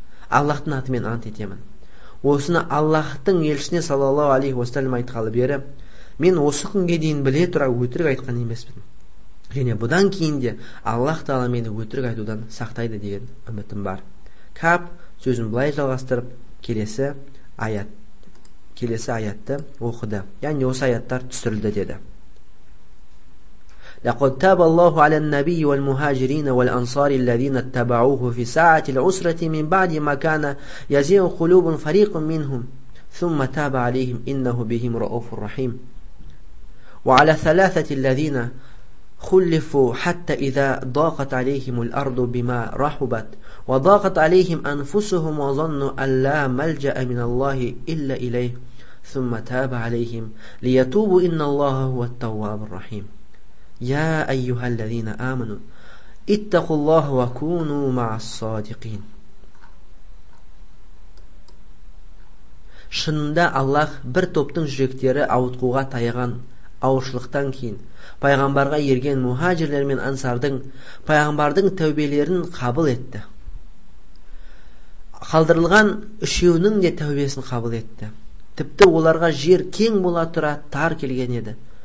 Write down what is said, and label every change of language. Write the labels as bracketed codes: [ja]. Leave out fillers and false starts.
[kk] Аллахтың атымен ант етемін. Осыны Аллахтың елшісіне саллаллаху алейхи ва саллям айтқалы бері мен осы күнге дейін біле тұра өтірік айтқан емеспін. Және бұдан кейін де Аллах Тағала мені өтірік айтудан сақтайды деген үмітім бар». Кап сөзін былай жалғастырып, келесі аятты оқыды. Яғни осы аяттар түсірілді деді. [ar] لقد تاب الله على النبي والمهاجرين والأنصار الذين اتبعوه في ساعة العسرة من بعد ما كان يزيغ قلوب فريق منهم ثم تاب عليهم إنه بهم رؤوف رحيم وعلى ثلاثة الذين خلفوا حتى إذا ضاقت عليهم الأرض بما رحبت وضاقت عليهم أنفسهم وظنوا أن لا ملجأ من الله إلا إليه ثم تاب عليهم ليتوبوا إن الله هو التواب الرحيم يا أيها الذين آمنوا اتقوا الله وكونوا مع الصادقين. [kk] Шынында Аллах бір топтың жүректері ауытқуға таяған ауыршылықтан кейін пайғамбарға ерген мухаджирлер мен ансардың пайғамбардың тәубелерін қабыл етті. Қалдырылған үшеуінің де тәубесін қабыл етті. Тіпті оларға жер кең бола тұра тар келген еді.